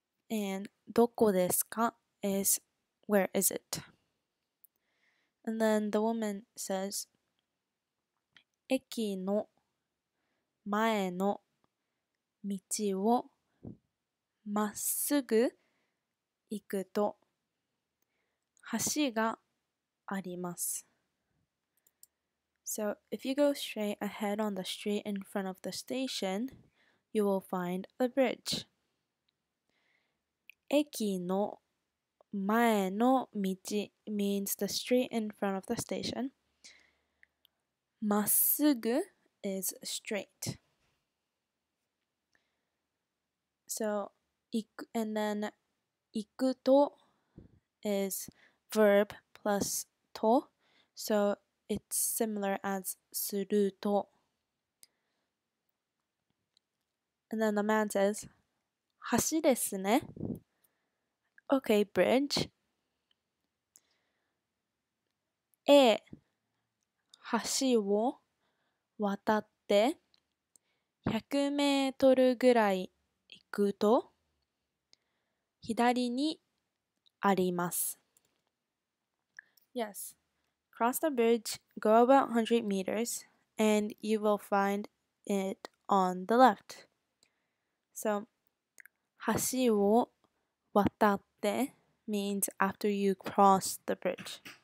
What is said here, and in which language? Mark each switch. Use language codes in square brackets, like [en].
[en] And [ja] doko desu ka [en] is where is it? And then the woman says, [ja] 駅の前の道をまっすぐ行くと橋があります。 [en] So if you go straight ahead on the street in front of the station, you will find a bridge. [ja] 駅の前の道 [en] means the street in front of the station. まっすぐ is straight. So, 行く, and then 行くと is verb plus と. So, it's similar as すると. And then the man says, [ja] 橋ですね。 [en] Okay, bridge. [ja] え、橋を渡って100メートルぐらい行くと左にあります。 [en] Yes, cross the bridge, go about 100 meters, and you will find it on the left. So, [ja] 橋を渡って [en] means after you cross the bridge.